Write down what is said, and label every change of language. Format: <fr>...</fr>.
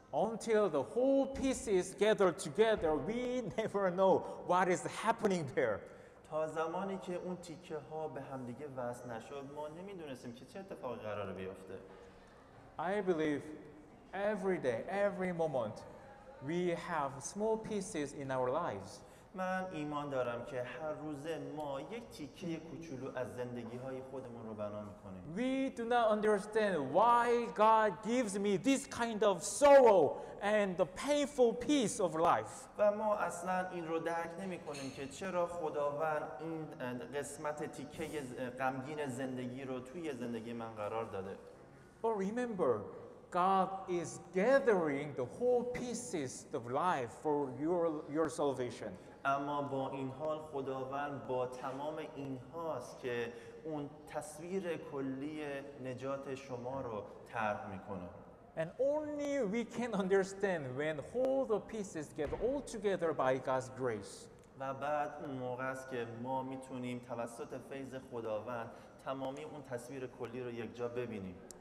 <en>Until the whole pieces gathered together, we never know what is happening there.</en> <fa>تا زمانی که اون تیکه ها به هم دیگه وصل نشد ما نمیدونستیم که چه اتفاقی قرار بیفته.</fa> <en>I believe every day, every moment we have small pieces in our lives.</en> <fa>من ایمان دارم که هر روزه ما یک تیکه کوچولو از زندگی های خودمون رو بنا میکنیم.</fa> <en>We do not understand why God gives me this kind of sorrow and the painful piece of life.</en> <fa>و ما اصلا این رو درک نمیکنیم که چرا خداوند این قسمت تیکه غمگین زندگی رو توی زندگی من قرار داده.</fa> <en>But remember, God is gathering the whole pieces of life for your salvation.</en> <fa>اما با این حال خداوند با تمام این هاست که اون تصویر کلی نجات شما رو طرح میکنه.</fa> <en>And only we can understand when all the pieces get all together by God's grace.</en> <fa>و بعد اون موقع است که ما میتونیم توسط فیض خداوند تمامی اون تصویر کلی رو یکجا ببینیم.</fa>